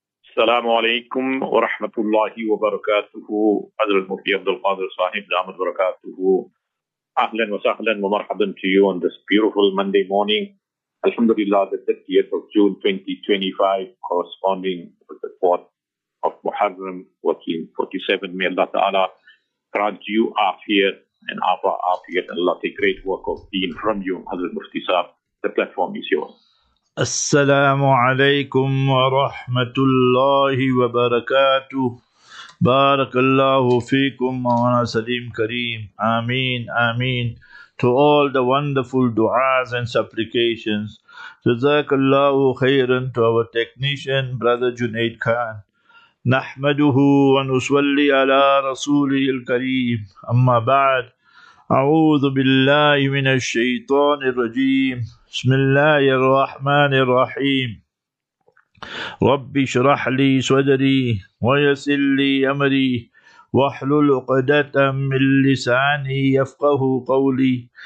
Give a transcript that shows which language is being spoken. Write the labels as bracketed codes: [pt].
[ar] السلام عليكم ورحمة الله وبركاته. حضرت مفتي عبد القادر صاحب دام وبركاته، أهلا وسهلا ومرحبا [en] to you on this beautiful Monday morning. [ar] الحمد لله [en] the 30th of June 2025 corresponding with the 4th of Muharram 1447. May Allah Ta'ala grant you afiyat and afa afiyat, and Allah take great work of deen from you. Hazrat Mufti Sahib, the platform is yours. [ar] السلام عليكم ورحمة الله وبركاته. بارك الله فيكم مولانا سليم كريم. آمين آمين. [en] To all the wonderful du'as and supplications. [ar] جزاك الله خيرا. [en] To our technician, brother Junaid Khan. [ar] نحمده ونصلي على رسوله الكريم. أما بعد، أعوذ بالله من الشيطان الرجيم. بسم الله الرحمن الرحيم. رب اشرح لي صدري ويسر لي أمري واحلل عقدة من لساني يفقه قولي.